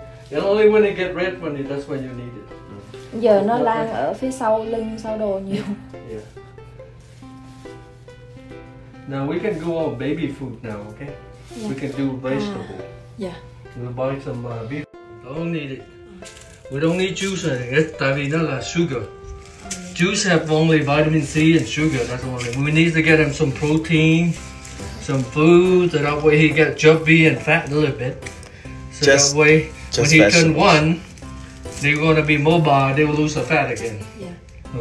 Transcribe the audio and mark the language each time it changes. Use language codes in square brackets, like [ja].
[en] And only when it gets red for you, that's when you need it. [vi] Giờ nó lan ở phía sau lưng, sau đồ nhiều. [en] Now we can go on baby food now, okay? We can do vegetable. We'll buy some beef. Don't need it. We don't need juice or anything, [vi] tại vì nó là [en] sugar. Juice have only vitamin C and sugar, that's all it. We need to get him some protein, some food, so that way he get chubby and fat a little bit. So just, that way, when he turn one, they're gonna be mobile, they will lose the fat again. Yeah.